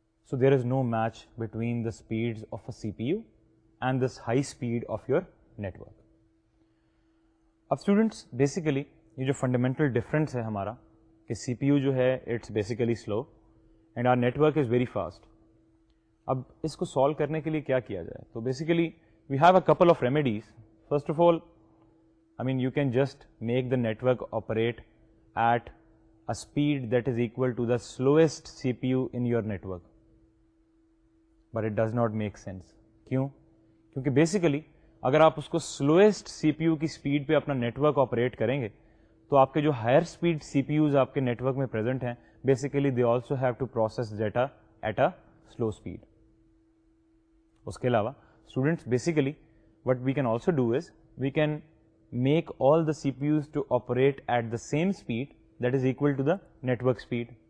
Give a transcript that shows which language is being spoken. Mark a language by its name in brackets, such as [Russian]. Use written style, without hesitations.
[English] So there is no match between the speed of a C P U and this high speed of your network. [Urdu] اب students basically یہ جو fundamental difference ہے ہمارا کہ سی P U جو ہے [English] It's basically slow and our network is very fast. [Urdu] اب اس کو سالو کرنے کے لیے کیا کیا جائے؟ تو basically [English] We have a couple of remedies. First of all I mean you can just make the network operate at a speed that is equal to the slowest C P U in your network but it does not make sense. [Urdu] کیوں؟ کیونکہ basically اگر آپ اس کو سلوئسٹ سی P U کی speed پہ اپنا network operate کریں گے تو آپ کے جو ہائر اسپیڈ سی پی یوز آپ کے نیٹورک میں پریزنٹ ہیں basically [English] They also have to process data at a slow speed. [Urdu] اس کے علاوہ [English] Students basically what we can also do is we can make all the C P Us to operate at the same speed that is equal to the network speed.